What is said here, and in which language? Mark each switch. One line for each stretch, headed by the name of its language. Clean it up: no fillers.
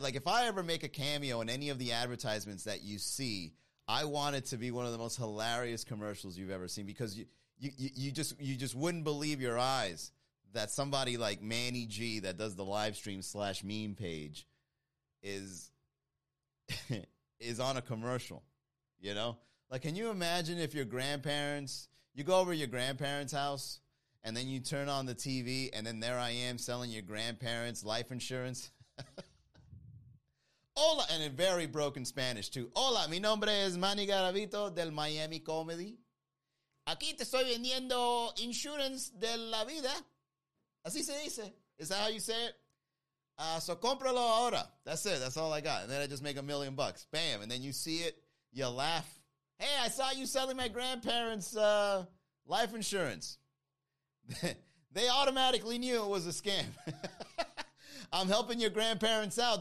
English: Like, if I ever make a cameo in any of the advertisements that you see, I want it to be one of the most hilarious commercials you've ever seen, because you just wouldn't believe your eyes that somebody like Manny G that does the live stream / meme page is is on a commercial, you know? Like, can you imagine if your grandparents, you go over to your grandparents' house and then you turn on the TV and then there I am selling your grandparents life insurance? Hola, and in very broken Spanish, too.
Spanish: Hola, mi nombre es Manny Garavito del Miami Comedy. Aquí te estoy vendiendo insurance de la vida. Así se dice.
English: Is that how you say it? So
Spanish: cómpralo ahora.
English: That's it. That's all I got. And then I just make $1 million. Bam. And then you see it. You laugh. Hey, I saw you selling my grandparents' life insurance. They automatically knew it was a scam. I'm helping your grandparents out.